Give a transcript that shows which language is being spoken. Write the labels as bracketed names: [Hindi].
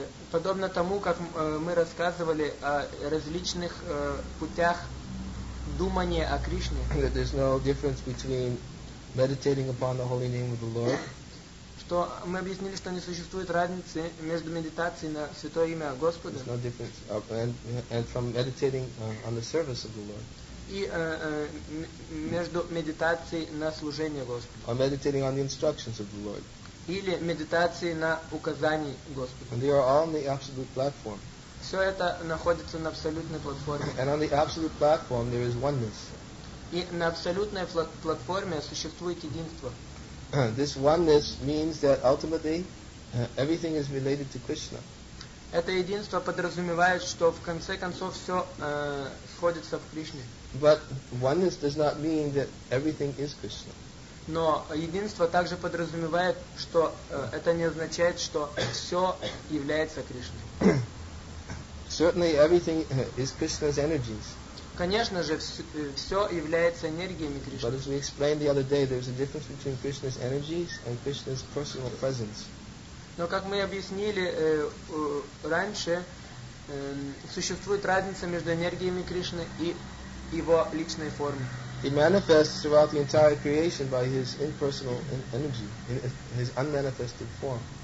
[Russian] Подобно тому, как мы рассказывали о различных путях думания о Кришне. [English] That there's no difference between meditating upon the holy name of the Lord. [Russian] Что мы объяснили, что не существует разницы между медитацией на святое имя Господа. [English] There's no difference and from meditating on the service of the Lord. [Russian] И между медитацией на служение Господу. [English] Or meditating on the instructions of the Lord. [Russian] Или медитацией на указании Господа. [English] And they are all on the absolute platform. [Russian] Все это находится на абсолютной платформе. [English] And on the absolute platform there is oneness. [Russian] И на абсолютной платформе существует единство. [English] This oneness means that ultimately everything is related to Krishna. [Russian] Это единство подразумевает, что в конце концов все сходится в Кришне. [English] But oneness does not mean that everything is Krishna. [Russian] Но единство также подразумевает, что это не означает, что все является Кришной. [English] Certainly everything is Krishna's energies. [Russian] Конечно же, все является энергиями Кришны. [English] But as we explained the other day, there's a difference between Krishna's energies and Krishna's personal presence. [Russian] Но как мы объяснили раньше, существует разница между энергиями Кришны и его личной формой. [English] He manifests throughout the entire creation by his impersonal energy, his unmanifested form.